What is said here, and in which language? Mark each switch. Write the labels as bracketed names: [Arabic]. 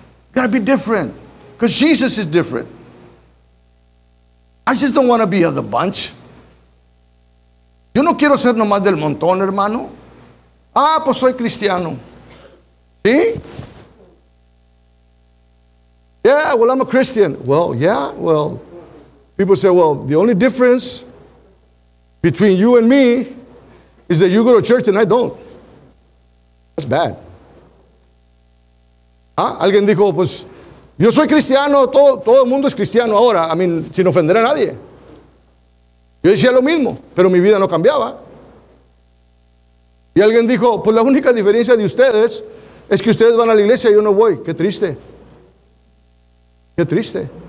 [English] You gotta be different, because Jesus is different. I just don't want to be of the bunch. [Spanish] Yo no quiero ser nomás del montón, hermano. Ah, pues soy cristiano. ¿Sí? [English] Yeah, well, I'm a Christian. Well, yeah, well. People say, well, the only difference between you and me is that you go to church and I don't. That's bad. [Spanish] Ah, alguien dijo, pues, yo soy cristiano, todo el mundo es cristiano ahora, [English] I mean, [Spanish] sin ofender a nadie. Yo decía lo mismo, pero mi vida no cambiaba. Y alguien dijo, pues la única diferencia de ustedes es que ustedes van a la iglesia y yo no voy. Qué triste. Qué triste.